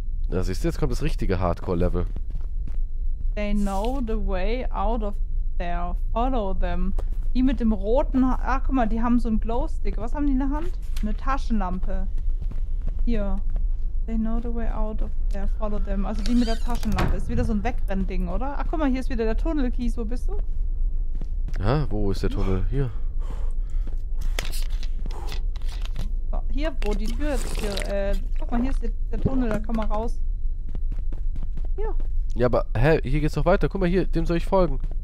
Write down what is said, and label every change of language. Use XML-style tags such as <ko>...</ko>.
<de>Ja, siehst du, jetzt kommt das richtige Hardcore-Level.</de> <en>They know the way out of there. Follow them.</en> <de>Die mit dem roten... Ach, guck mal, die haben so einen Glowstick. Was haben die in der Hand? Eine Taschenlampe. Hier.</de> <en>They know the way out of there, follow them.</en> <de>Also die mit der Taschenlampe. Ist wieder so ein Wegrennding, oder? Ach, guck mal, hier ist wieder der Tunnel, Kies. Wo bist du? Ja, wo ist der Tunnel? Hier. So, hier, wo die Tür ist. Hier, guck mal, hier ist der Tunnel, da kann man raus. Hier. Ja, aber, hä, hier geht's doch weiter. Guck mal, hier, dem soll ich folgen.</de>